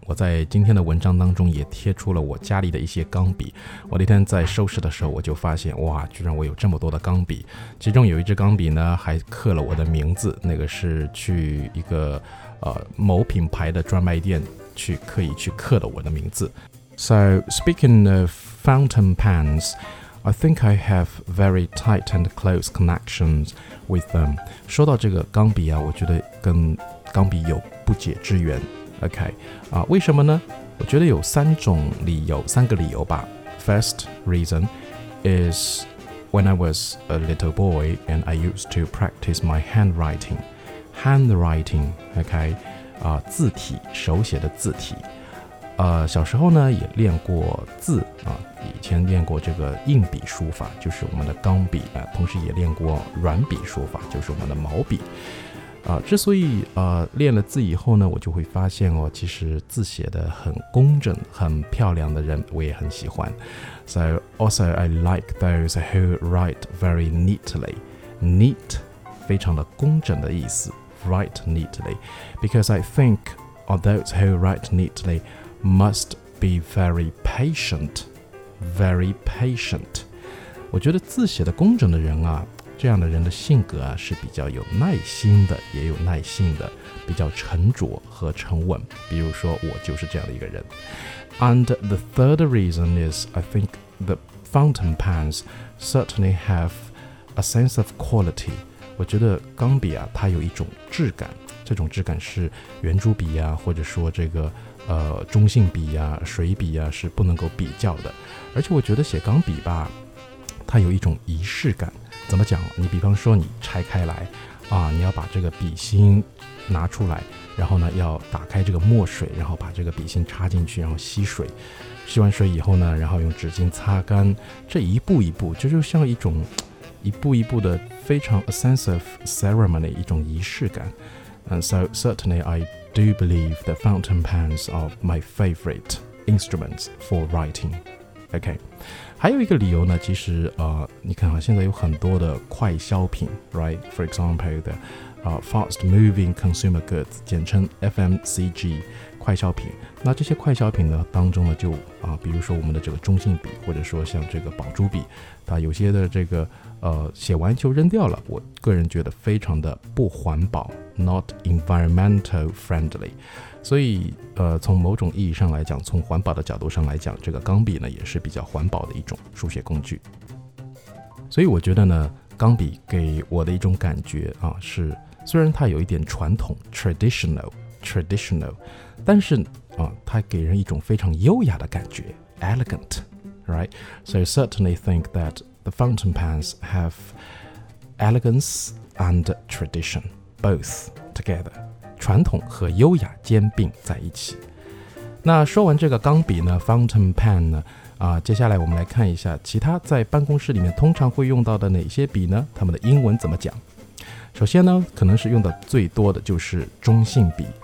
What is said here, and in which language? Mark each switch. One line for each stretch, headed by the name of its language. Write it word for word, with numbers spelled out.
Chinese: 我在今天的文章当中也贴出了我家里的一些钢笔。我那天在收拾的时候，我就发现，哇，居然我有这么多的钢笔。其中有一支钢笔呢，还刻了我的名字。那个是去一个呃某品牌的专卖店去刻意去刻的我的名字。
English: So speaking of fountain pens, I think I have very tight and close connections with them.
Chinese: 说到这个钢笔啊，我觉得跟钢笔有不解之缘 ，OK 啊？为什么呢？我觉得有三种理由，三个理由吧。
English: First reason is when I was a little boy and I used to practice my handwriting.
Chinese: Handwriting, OK 啊，字体，手写的字体。呃，小时候呢也练过字啊，以前练过这个硬笔书法，就是我们的钢笔啊，同时也练过软笔书法，就是我们的毛笔。啊、之所以、呃、练了字以后呢，我就会发现哦，其实字写得很工整、很漂亮的人，我也很喜欢。
English: So also I like those who write very neatly.
Chinese: Neat, 非常的工整的意思。
English: Write neatly, because I think those who write neatly must be very patient, very patient.
Chinese: 我觉得字写得工整的人啊。这样的人的性格啊是比较有耐心的，也有耐性的，比较沉着和沉稳。比如说我就是这样的一个人。
English: And the third reason is I think the fountain pens certainly have a sense of quality.
Chinese: 我觉得钢笔啊，它有一种质感，这种质感是圆珠笔啊，或者说这个呃中性笔啊、水笔啊是不能够比较的。而且我觉得写钢笔吧，它有一种仪式感。怎么讲？你比方说你拆开来啊，你要把这个笔芯拿出来，然后呢要打开这个墨水，然后把这个笔芯插进去，然后吸水，吸完水以后呢，然后用纸巾擦干，这一步一步，这就像一种一步一步的非常
English: a sense of ceremony，
Chinese: 一种仪式感。
English: And so certainly I do believe that fountain pens are my favorite instruments for writing.
Chinese: OK， 还有一个理由呢，其实呃，你看哈，现在有很多的快消品 ，right？
English: For example 的啊、呃、，fast moving consumer goods， 简称 F M C G 快消品。
Chinese: 那这些快消品呢当中呢，就啊、呃，比如说我们的这个中性笔，或者说像这个宝珠笔，它有些的这个呃写完就扔掉了，我个人觉得非常的不环保 ，
English: not environmental friendly。
Chinese: 所以呃，从某种意义上来讲，从环保的角度上来讲，这个钢笔呢也是比较环保的一种书写工具。所以我觉得呢，钢笔给我的一种感觉啊，是虽然它有一点传统
English: traditional traditional，
Chinese: 但是啊，它给人一种非常优雅的感觉 elegant， right？
English: So I certainly think that the fountain pens have elegance and tradition both together。
Chinese: 传统和优雅兼并在一起。那说完这个钢笔呢 Fountain pen 呢、啊、接下来我们来看一下其他在办公室里面通常会用到的哪些笔呢，它们的英文怎么讲。首先呢，可能是用的最多的就是中性笔。